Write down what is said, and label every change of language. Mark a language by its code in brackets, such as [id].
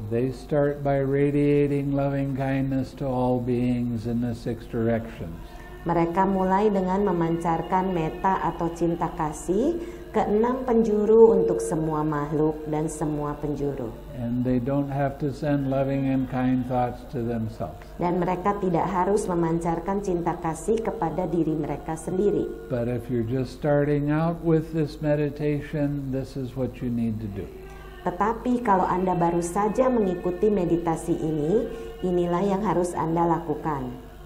[en] They start by radiating loving kindness to all beings in the six directions. [id] Mereka mulai dengan memancarkan metta atau cinta kasih ke enam penjuru untuk semua makhluk dan semua penjuru. [en] And they don't have to send loving and kind thoughts to themselves. [id] Dan mereka tidak harus memancarkan cinta kasih kepada diri mereka sendiri. [en] But if you're just starting out with this meditation, this is what you need to do. [id] Tetapi kalau Anda baru saja mengikuti meditasi ini, inilah yang harus Anda lakukan.